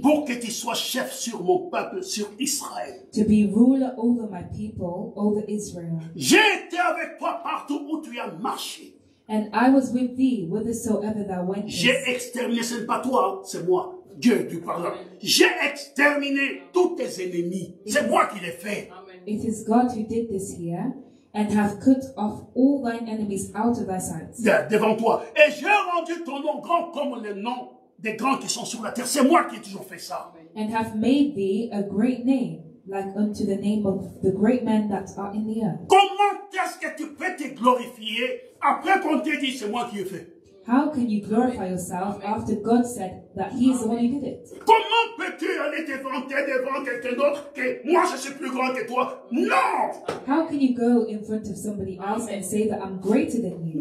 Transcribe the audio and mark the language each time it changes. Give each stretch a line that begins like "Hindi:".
French: Pour que tu sois chef sur mon peuple, sur Israël.
English: To be ruler over my people, over Israel.
French: J'ai été avec toi partout où tu as marché.
English: And I was with thee whithersoever thou wentest.
French: J'ai exterminé, ce n'est pas toi, c'est moi, Dieu du pardon. J'ai exterminé tous tes ennemis. C'est moi qui l'ai fait.
English: It is God who did this here. And have cut off all thine enemies out of thy sight.
French: Devant toi. Et j'ai rendu ton nom grand comme le nom des grands qui sont sur la terre. C'est moi qui ai toujours fait ça.
English: And have made thee a great name, like unto the name of the great men that are in the earth.
French: Comment est-ce que tu peux te glorifier après qu'on t'ait dit c'est moi qui ai fait?
English: How can you glorify yourself after God said that he is the one who did it?
French: Comment peux-tu aller te vanter devant quelqu'un d'autre que moi je suis plus grand que toi? Non!
English: How can you go in front of somebody else and say that I'm greater than you?